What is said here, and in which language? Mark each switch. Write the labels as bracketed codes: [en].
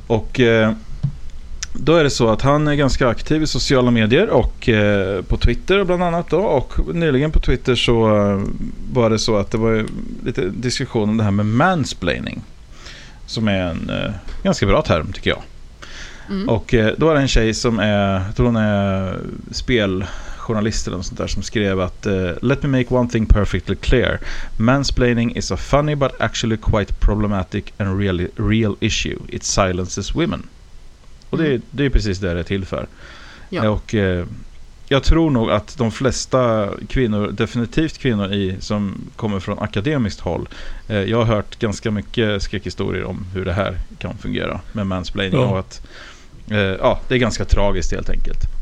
[sv] Och då är det så att han är ganska aktiv i sociala medier och på Twitter bland annat då, och nyligen på Twitter så var det så att det var lite diskussion om det här med mansplaining, som är en ganska bra term tycker jag. Mm. Och då är det en tjej som är, jag tror hon är spel journalister och sånt där som skrev att [en] let me make one thing perfectly clear. Mansplaining is a funny but actually quite problematic and really real issue. It silences women. [sv] Och det är precis det är till för. Ja. Och jag tror nog att de flesta kvinnor, definitivt kvinnor i som kommer från akademiskt håll, jag har hört ganska mycket skräckhistorier om hur det här kan fungera med mansplaining, ja. Och att ja, det är ganska tragiskt helt enkelt.